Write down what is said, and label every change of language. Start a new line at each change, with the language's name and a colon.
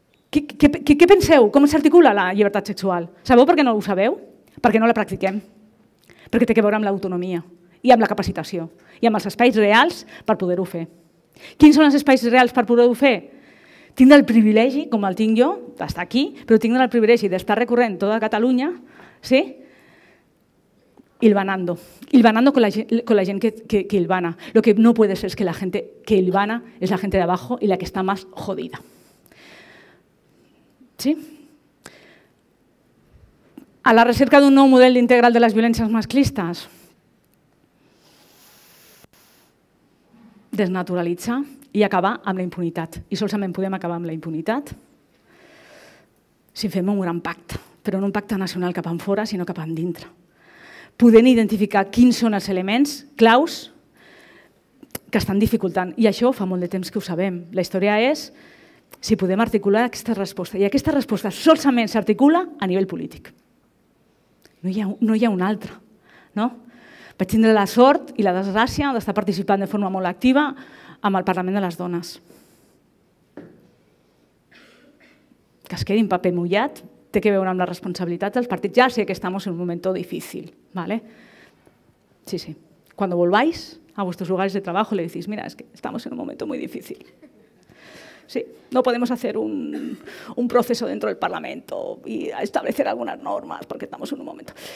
Catalan: Què penseu? Com s'articula la llibertat sexual? Sabeu per què no ho sabeu? Perquè no la practiquem. Perquè té a veure amb l'autonomia i amb la capacitació i amb els espais reals per poder-ho fer. Quins són els espais reals per poder-ho fer? Tinc el privilegi, com el tinc jo, d'estar aquí, però tinc el privilegi d'estar recorrent tota Catalunya, sí?
Spanish: Hilvanando con la gent que hilvana. Lo que no puede ser es que la gente que hilvana es la gente de abajo y la que está más jodida. Sí?
Catalan: A la recerca d'un nou model integral de les violències masclistes. Desnaturalitzar i acabar amb la impunitat. I solament podem acabar amb la impunitat si fem un gran pacte, però no un pacte nacional cap enfora, sinó cap endintre. Podent identificar quins són els elements claus que estan dificultant. I això fa molt de temps que ho sabem. La història és si podem articular aquesta resposta. I aquesta resposta solament s'articula a nivell polític. No hi ha una altra, no? Vaig tindre la sort i la desgràcia d'estar participant de forma molt activa amb el Parlament de les Dones. Que es quedi en paper mullat té que veure amb la responsabilitat dels partits. Ja sé que estem en un moment difícil, ¿vale? Sí. Quan volváis a vostres lugares de treball, le decís, mira, es que estem en un moment molt difícil.
Spanish: Sí, no podemos hacer un proceso dentro del Parlamento y establecer algunas normas porque estamos en un momento.